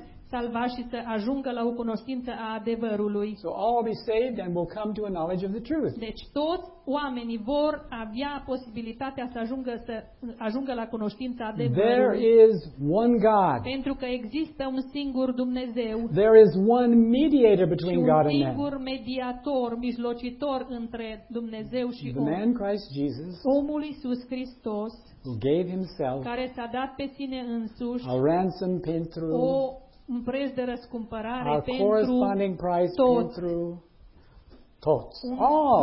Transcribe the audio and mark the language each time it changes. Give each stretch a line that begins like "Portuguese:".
English: So all will be saved and will come to a knowledge of the truth.
Romanian: Oamenii vor avea posibilitatea să ajungă la cunoștința adevărului.
English: There is one God.
Romanian: Pentru că există un singur Dumnezeu.
English: There is one mediator between God and man.
Romanian: Un singur mediator, mijlocitor între Dumnezeu și om.
English: The man Christ Jesus.
Romanian: Omul Iisus Hristos.
English: Who gave himself.
Romanian: Care s-a dat pe sine însuși.
English: A ransom
Romanian: pentru. Un preț de răscumpărare pentru.
English: A corresponding price
Romanian: pentru. Toți. Un